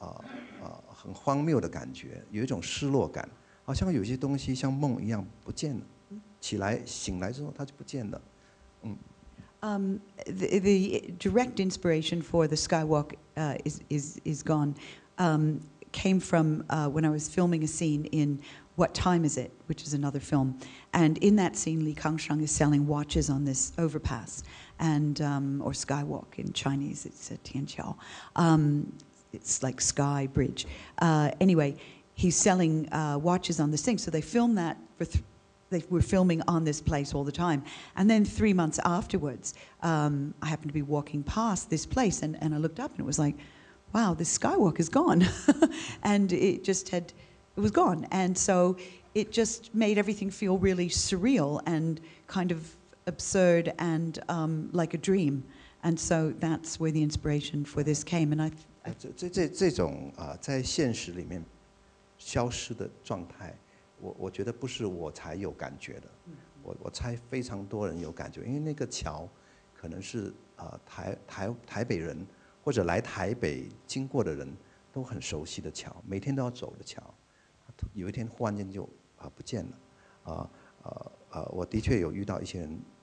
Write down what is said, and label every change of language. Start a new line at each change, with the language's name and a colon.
Chinese: 所以但是我觉得这个世界也是这样子的，就是说，比如说天桥不见了，他是我拍这个电影之前拍了一个电影叫《你那边几点》，就有一个场景是在那个天桥上，李康生卖手表给陈香琪，可是真的拍完之后的三个月，我经过那个车站，他已经不见了，他让我非常震惊，有一种很荒谬的感觉，有一种失落感。
English: The direct inspiration for the Skywalk is gone came from when I was filming a scene in What Time Is It, which is another film. And in that scene, Li Kangsheng is selling watches on this overpass, and or Skywalk in Chinese, it's a Tianqiao. It's like Sky Bridge. Anyway. He's selling watches on this thing. So they filmed that, they were filming on this place all the time. And then 3 months afterwards, I happened to be walking past this place and I looked up and it was like, wow, this Skywalk is gone. it was gone. And so it just made everything feel really surreal and kind of absurd and like a dream. And so that's where the inspiration for this came. And I
Chinese: 消失的状态，我觉得不是我才有感觉的，我猜非常多人有感觉，因为那个桥，可能是台北人或者来台北经过的人都很熟悉的桥，每天都要走的桥，有一天忽然间就不见了，我的确有遇到一些人。